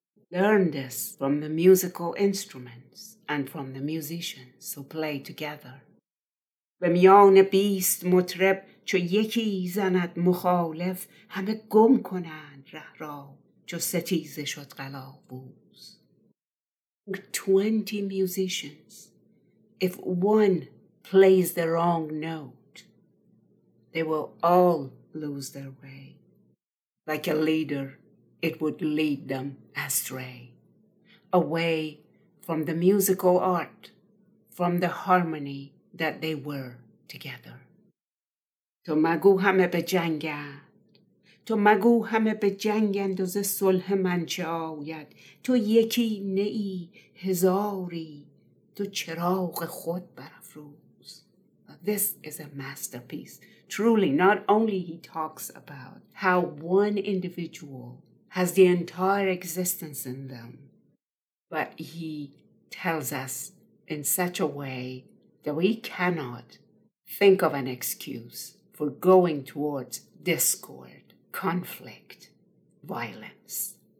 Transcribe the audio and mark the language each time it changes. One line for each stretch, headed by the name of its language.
English: Learn this from the musical instruments and from the musicians who play together.
Persian: به میان بیست مطرب چو یکی زند مخالف همه گم کنند ره را چو ستیز شد قلاووز.
English: With 20 musicians, if one plays the wrong note, they will all lose their way. Like a leader, it would lead them astray, away from the musical art, from the harmony that they were together.
Persian: تو مگو همه به جنگند، تو مگو همه به جنگند و ز صلح من چه آید، تو یکی نئی هزاری، تو چراغ خود برافروز.
English: This is a masterpiece. Truly, not only he talks about how one individual has the entire existence in them, but he tells us in such a way that we cannot think of an excuse for going towards discord, conflict, violence.